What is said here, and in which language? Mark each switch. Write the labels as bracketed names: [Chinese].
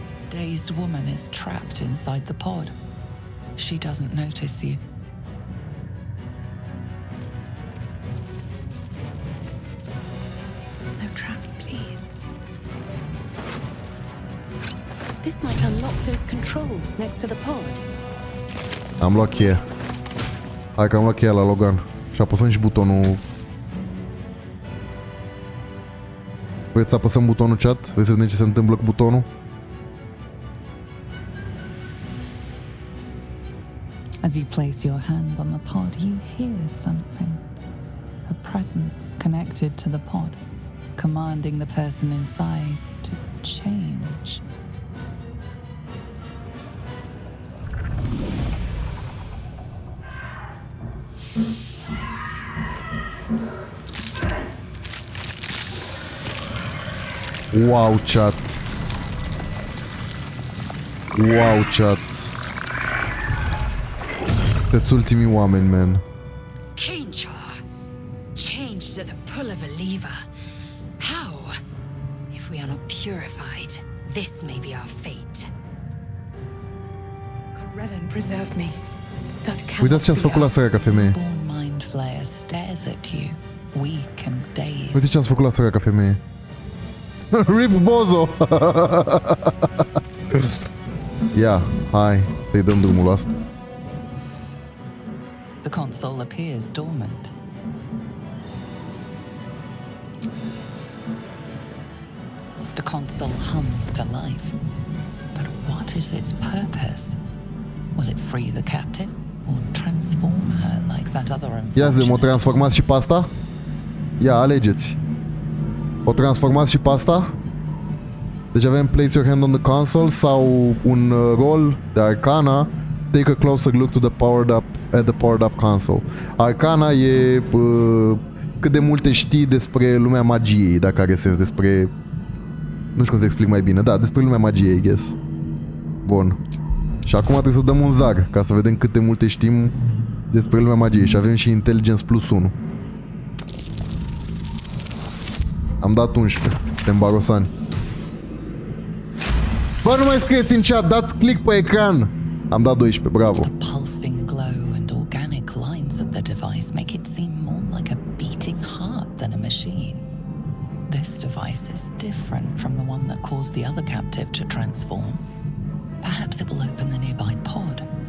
[English] A dazed woman is trapped inside the pod. She doesn't notice you. No traps, please. This might unlock those controls next to the pod. I'm locked here. [Romanian] Hai că am luat cheia la Logan și apăsăm și butonul. Vreți să apăsăm butonul chat? Vreți să vedem ce se întâmplă cu butonul? [English] As you place your hand on the pod, you hear something. A presence connected to the pod, commanding the person inside to change. Wow, chat. Wow, chat. [Romanian] Sunt ultimii oameni, man. [English] Change her. Change at the pull of a lever. How? If we are not purified, this may be our fate. Corellon, preserve me. [Romanian] Uitați ce ați făcut la săraca femeie. [English] Born mind flayer stares at you, weak and dazed. [Romanian] Uitați ce ați făcut la săraca femeie. [English] Rip Bozo. [Romanian] Ia, hai, să-i dăm drumul ăsta. [English] The console appears dormant. The console hums to life. But what is its purpose? Will it free the captive or transform her like that other unfortunate? [Romanian] Ia, de m-o transformați și pe asta? Ia, alegeți. O transformați și pe asta? Deci avem [English] place your hand on the console [Romanian] sau un rol de arcana. [English] Take a closer look to the powered up at the powered up console. [Romanian] Arcana e cât de multe știi despre lumea magiei, dacă are sens, despre, nu știu cum să explic mai bine, da, despre lumea magiei, [English] I guess. [Romanian] Bun. Și acum trebuie să dăm un zar ca să vedem cât de multe știm despre lumea magiei și avem și intelligence plus 1. Am dat 11, suntem barosani. Bă, nu mai scrieți în chat, dați click pe ecran. Am dat 12, bravo. [English] The pulsing glow and organic lines of the device make it seem more like a beating heart than a machine. This device is different from the one that caused the other captive to transform. Perhaps it will open the nearby pod.